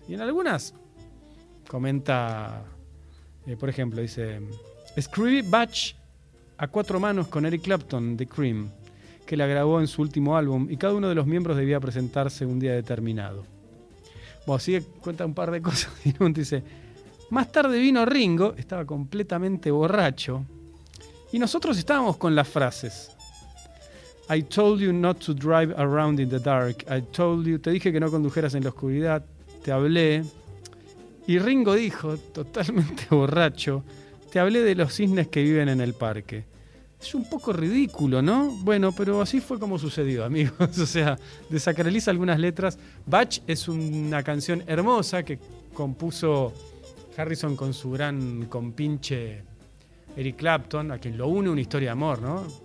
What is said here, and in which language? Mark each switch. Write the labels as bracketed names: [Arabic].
[Spanish] Y en algunas comenta, por ejemplo, dice, escribí Butch a cuatro manos con Eric Clapton de Cream, que la grabó en su último álbum, y cada uno de los miembros debía presentarse un día determinado. Bueno, sigue, cuenta un par de cosas y dice, más tarde vino Ringo, estaba completamente borracho, y nosotros estábamos con las frases. [English] I told you not to drive around in the dark. I told you, [Spanish] te dije que no condujeras en la oscuridad. Te hablé. Y Ringo dijo, totalmente borracho, te hablé de los cisnes que viven en el parque. Es un poco ridículo, ¿no? Bueno, pero así fue como sucedió, amigos. O sea, desacraliza algunas letras. Butch es una canción hermosa que compuso Harrison con su gran compinche Eric Clapton, a quien lo une una historia de amor, ¿no?